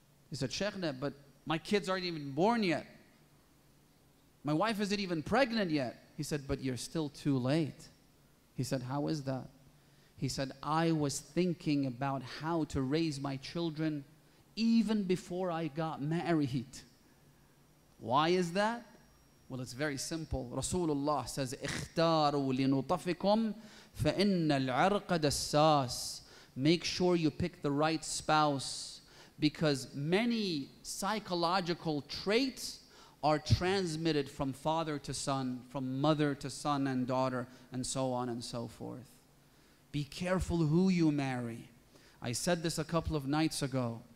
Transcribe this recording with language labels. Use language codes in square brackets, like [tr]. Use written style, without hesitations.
[en] He said, Sheikhna, but my kids aren't even born yet. My wife isn't even pregnant yet. He said, but you're still too late. He said, how is that? He said, I was thinking about how to raise my children even before I got married. Why is that? Well, it's very simple. Rasulullah says, [ar] اختاروا لنطفكم فإن العرق دساس. [en] Make sure you pick the right spouse, because many psychological traits are transmitted from father to son, from mother to son and daughter, and so on and so forth. Be careful who you marry. I said this a couple of nights ago.